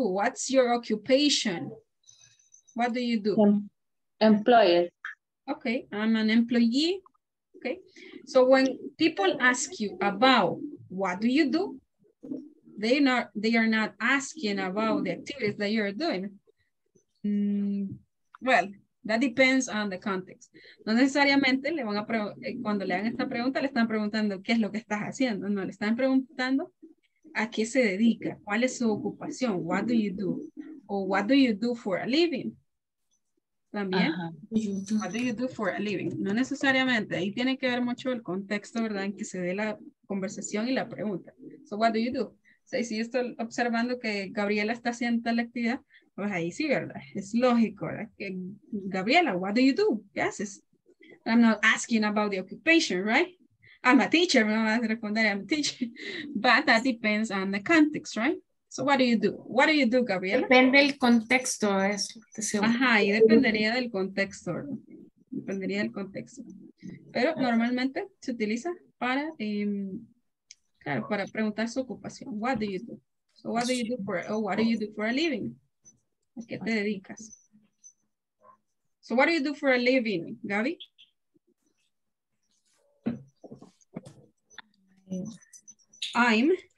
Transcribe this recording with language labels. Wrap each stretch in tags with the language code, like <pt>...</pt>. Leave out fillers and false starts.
<en>What's your occupation? What do you do? Employer. Okay, I'm an employee. Okay, so when people ask you about what do you do, they are not asking about the activities that you're doing. Well, that depends on the context.</en> <es>No necesariamente le van a cuando le hagan esta pregunta, le están preguntando qué es lo que estás haciendo. No, le están preguntando a qué se dedica, cuál es su ocupación,</es> <en>what do you do,</en> <es>o</es> <en>what do you do for a living.</en> <es>También,</es> <en>uh-huh. What do you do for a living.</en> <es>No necesariamente, ahí tiene que ver mucho el contexto, ¿verdad?, en que se dé la conversación y la pregunta.</es> <en>So, what do you do?</en> <es>So, si yo estoy observando que Gabriela está haciendo tal actividad, pues ahí sí, ¿verdad? Es lógico, ¿verdad? Gabriela,</es> <en>what do you do?</en> <es>¿Qué haces?</es> <en>I'm not asking about the occupation, right? I'm a teacher,</en> <es>me vas a responder,</es> <en>I'm a teacher. But that depends on the context, right? So what do you do? What do you do, Gabriela?</en> <es>Depende del contexto. Es... Ajá, y dependería del contexto. Dependería del contexto. Pero normalmente se utiliza para, claro, para preguntar su ocupación.</es> <en>What do you do? So what do you do for, oh, what do you do for a living?</en> <es>¿A qué te dedicas?</es> <en>So what do you do for a living, Gaby? I'm.</en>